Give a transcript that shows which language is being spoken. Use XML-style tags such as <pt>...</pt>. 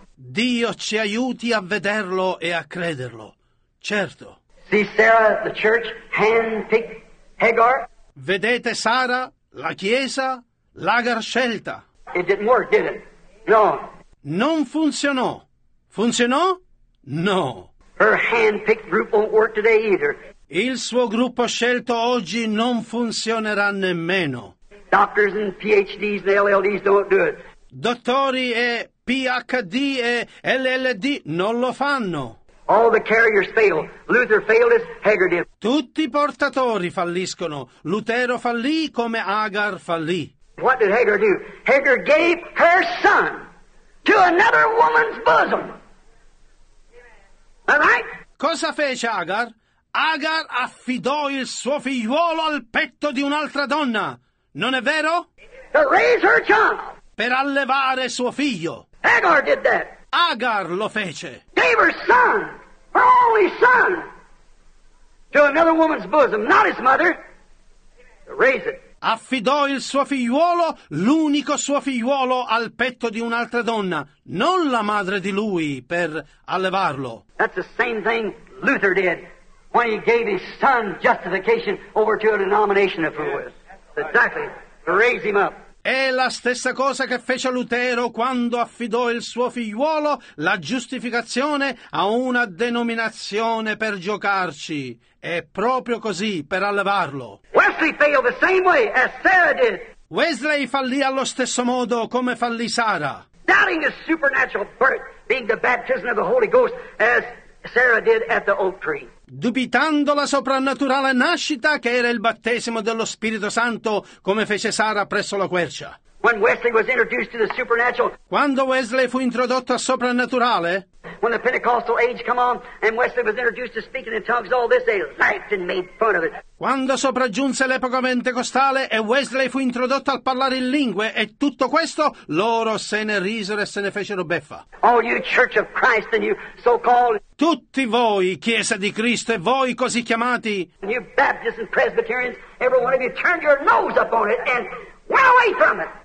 <it>Dio ci aiuti a vederlo e a crederlo. Certo.</it> <en>See Sarah, the church, hand-picked Hagar.</en> <it>Vedete Sara, la chiesa, l'Agar scelta.</it> <en>It didn't work, did it? No.</en> <it>Non funzionò. Funzionò? No.</it> <en>Her hand-picked group won't work today either.</en> <it>Il suo gruppo scelto oggi non funzionerà nemmeno.</it> <en>Doctors and PhDs and LLDs don't do it.</en> <it>Dottori e PhD e LLD non lo fanno.</it> <en>All the carriers fail. Luther failed as Hagar did.</en> <it>Tutti i portatori falliscono. Lutero fallì come Agar fallì.</it> <en>What did Hagar do? Hagar gave her son to another woman's bosom. All right?</en> <it>Cosa fece Agar? Agar affidò il suo figliuolo al petto di un'altra donna. Non è vero?</it> <en>To raise her child.</en> <it>Per allevare suo figlio.</it> <en>Hagar did that.</en> <it>Agar lo fece.</it> <en>Gave her son, her only son, to another woman's bosom, not his mother, to raise it.</en> <it>Affidò il suo figliuolo, l'unico suo figliuolo, al petto di un'altra donna, non la madre di lui, per allevarlo.</it> <en>That's the same thing Luther did when he gave his son justification over to a denomination of fools. Exactly, to raise him up.</en> <it>È la stessa cosa che fece Lutero quando affidò il suo figliuolo, la giustificazione, a una denominazione per giocarci. È proprio così, per allevarlo.</it> <en>Wesley failed the same way as Sarah did.</en> <it>Wesley fallì allo stesso modo come fallì Sara.</it> <en>Doubting the supernatural birth, being the baptism of the Holy Ghost, as Sarah did at the oak tree.</en> <it>Dubitando la soprannaturale nascita che era il battesimo dello Spirito Santo come fece Sara presso la quercia.</it> <en>When Wesley was introduced to the supernatural,</en> <it>quando Wesley fu introdotto a soprannaturale,</it> <en>when the Pentecostal age come on and Wesley was introduced to speaking in tongues, all this they laughed and made fun of it.</en> <it>Quando sopraggiunse l'epoca pentecostale e Wesley fu introdotto al parlare in lingue e tutto questo, loro se ne risero e se ne fecero beffa.</it> <en>All you Church of Christ and you so-called,</en> <it>tutti voi Chiesa di Cristo e voi così chiamati,</it> <en>and you Baptists and Presbyterians, every one of you turned your nose up on it and went away from it.</en>